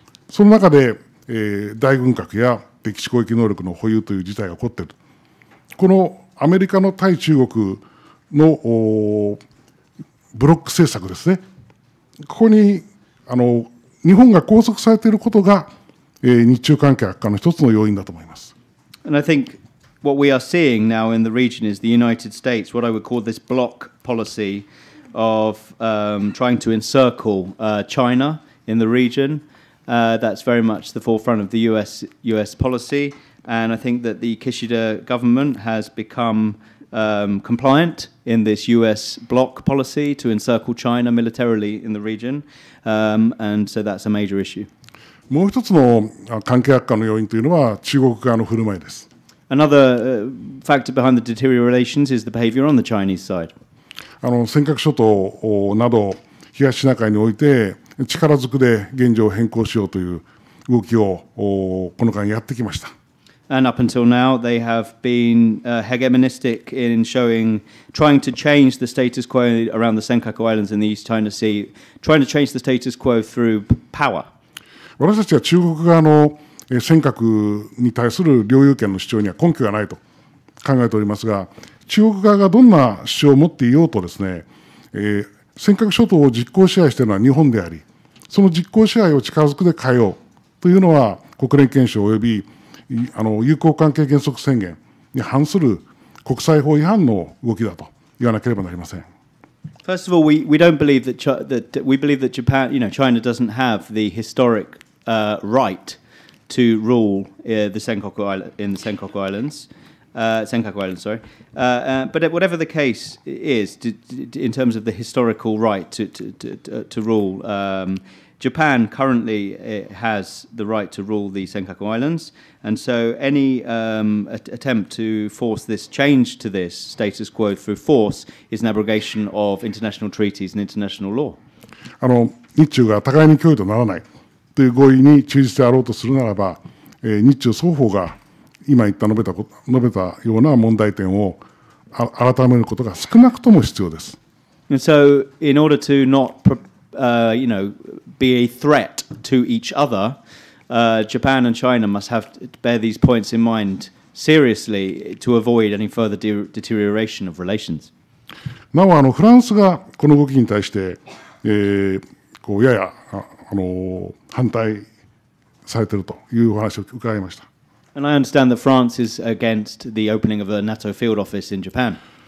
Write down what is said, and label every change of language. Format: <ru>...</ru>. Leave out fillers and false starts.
<ja>その中で、大軍拡や敵基地攻撃能力の保有という事態が起こっている。このアメリカの対中国のブロック政策ですね。ここに日本が拘束されていることが、日中関係悪化の一つの要因だと思います。</ja> <en>And I think... What we are seeing now in the region is the United States, what I would call this block policy of trying to encircle China in the region. That's very much the forefront of the US policy. And I think that the Kishida government has become compliant in this US block policy to encircle China militarily in the region. And so that's a major issue.</en> <ja>もう一つの関係悪化の要因というのは中国側の振る舞いです。</ja> <en>Another factor behind the deteriorating relations is the behavior on the Chinese side.</en> <ja>尖閣諸島など東シナ海において力ずくで現状を変更しようという動きをこの間やってきました。</ja> <en>And up until now, they have been hegemonistic in showing, trying to change the status quo around the Senkaku Islands in the East China Sea, trying to change the status quo through power.</en> <ja>私たちは中国側の尖閣に対する領有権の主張には根拠がないと考えておりますが、中国側がどんな主張を持っていようとですね、尖閣諸島を実効支配しているのは日本であり、その実効支配を力づくで変えようというのは、国連憲章および友好関係原則宣言に反する国際法違反の動きだと言わなければなりません。</ja> <en>First of all, we don't believe that, we believe that Japan, you know, China doesn't have the historic, right. To rule the Senkaku Island, in the Senkaku Islands, Senkaku Islands, sorry. But whatever the case is, in terms of the historical right to rule, Japan currently has the right to rule the Senkaku Islands, and so any attempt to force this change to this status quo through force is an abrogation of international treaties and international law.</en> <ja>日中が互いに脅威とならない。という合意に忠実であろうとするならば、日中双方が今言った述べたような問題点を改めることが少なくとも必要です。</ja> <en>And so, in order to not, you know, be a threat to each other, Japan and China must have to bear these points in mind seriously to avoid any further deterioration of relations.</en> <ja>なお、フランスがこの動きに対して、やや反対されているというお話を伺いました。</ja> <en>And I understand that France is against the opening of a NATO field office in Japan.</en>